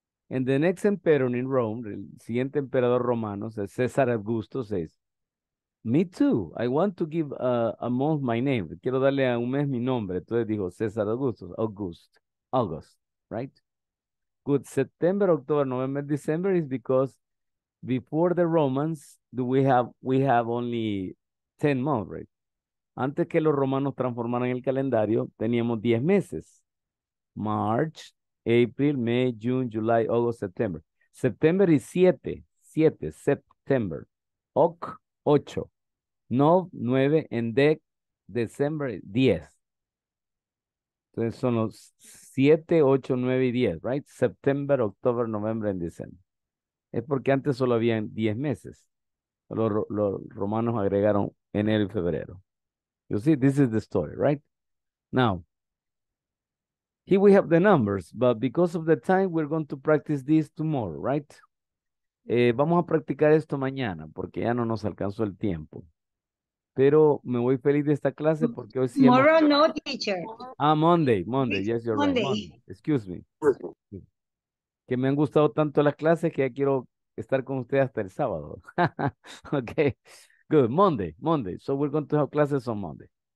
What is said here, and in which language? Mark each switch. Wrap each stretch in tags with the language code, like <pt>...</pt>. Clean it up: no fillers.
<en>And the next emperor in Rome,</en> <es>el siguiente emperador romano,</es> <en>says, César Augusto, says, me too. I want to give a month my name.</en> <es>Quiero darle a un mes mi nombre. Entonces dijo César Augusto, August, August, right? Good.</es> <en>September, October, November, December is because before the Romans, we have only 10 months, right?</en> <es>Antes que los romanos transformaran el calendario, teníamos 10 meses.</es> <en>March, April, May, June, July, August, September. September is 7, 7, September. Oc, 8. Nov, 9, and Dec, December, 10.</en> <es>Entonces son los 7, 8, 9 y 10, right? September, October, November, and December. Es porque antes solo habían 10 meses. Los romanos agregaron enero y febrero.</es> <en>You see, this is the story, right? Now, here we have the numbers, but because of the time, we're going to practice this tomorrow, right?</en> <es>Vamos a practicar esto mañana, porque ya no nos alcanzó el tiempo. Pero me voy feliz de esta clase porque hoy sí. Tomorrow, hemos... no, teacher.</es> <en>Ah, Monday, yes, you're Monday. Right. Monday. Excuse me.</en> <es>Que me han gustado tanto las clases que ya quiero estar con ustedes hasta el sábado.</es> <en>Okay. Good, Monday. So we're going to have classes on Monday.</en>